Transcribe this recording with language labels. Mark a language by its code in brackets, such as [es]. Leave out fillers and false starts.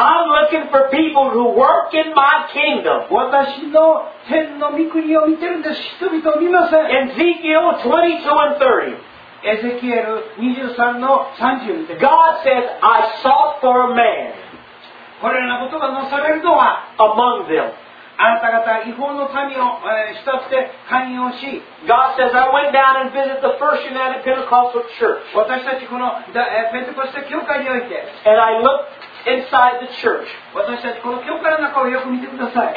[en] I'm looking for people who work in my kingdom. [ja] 私の天の御国を見てるんです。人々を見ません。 [en] Ezekiel 22 and 30. [ja] エゼキエル23の30 [en] God says I sought for a man [ja] これらのことがなされるのは [en] among them [ja] あなた方異邦の民を慕って寛容し [en] God says I went down and visited the first United Pentecostal church [ja] 私たちこのペンテコステ教会において [en] and I looked inside the church [ja] 私たちこの教会の中をよく見てください